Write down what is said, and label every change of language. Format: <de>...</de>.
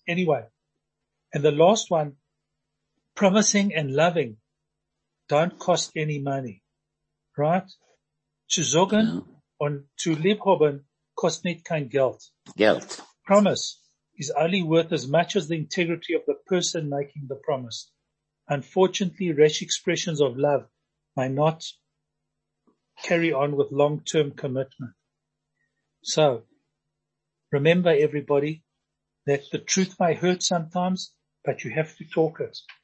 <en>Anyway, and the last one, promising and loving don't cost any money, right?</en> <yi>Zu sagen und zu liebhaben kostet kein Geld. Geld.</yi> <en>Promise is only worth as much as the integrity of the person making the promise. Unfortunately, rash expressions of love may not carry on with long-term commitment. So, remember everybody that the truth may hurt sometimes, but you have to talk it.</en>